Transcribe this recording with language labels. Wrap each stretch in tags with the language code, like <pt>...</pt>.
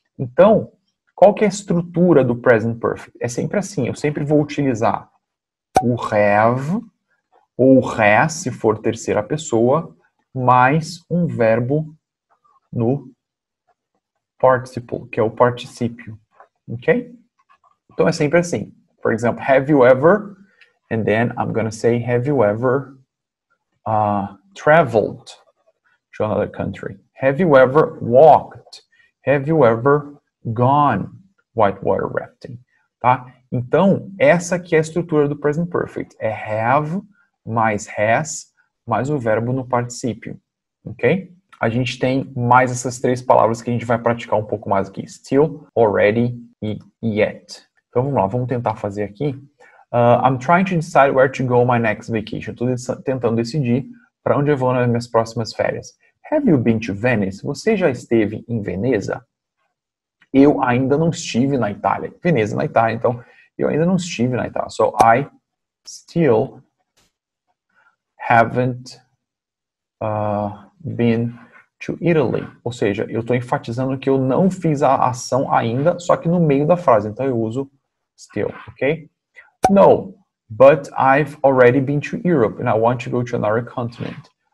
<pt>Então, qual que é a estrutura do present perfect? É sempre assim, eu sempre vou utilizar o have ou o has, se for terceira pessoa, mais um verbo no participle, que é o participio, ok? Então, é sempre assim.</pt> <en>For example, have you ever, and then I'm gonna say, have you ever traveled to another country? Have you ever walked? Have you ever gone whitewater rafting? Tá?</en> <pt>Então, essa aqui é a estrutura do present perfect. É have mais has mais o verbo no participio. Ok? A gente tem mais essas 3 palavras que a gente vai praticar um pouco mais aqui. Still, already e yet. Então, vamos lá. Vamos tentar fazer aqui.</pt> <en>I'm trying to decide where to go my next vacation.</en> <pt>Estou tentando decidir para onde eu vou nas minhas próximas férias.</pt> <en>Have you been to Venice?</en> <pt>Você já esteve em Veneza? Eu ainda não estive na Itália. Veneza na Itália, então eu ainda não estive na Itália.</pt> <en>So, I still haven't been to Italy.</en> <pt>Ou seja, eu estou enfatizando que eu não fiz a ação ainda, só que no meio da frase. Então, eu uso still, ok?</pt> <en>No, but I've already been to Europe and I want to go to another continent.</en>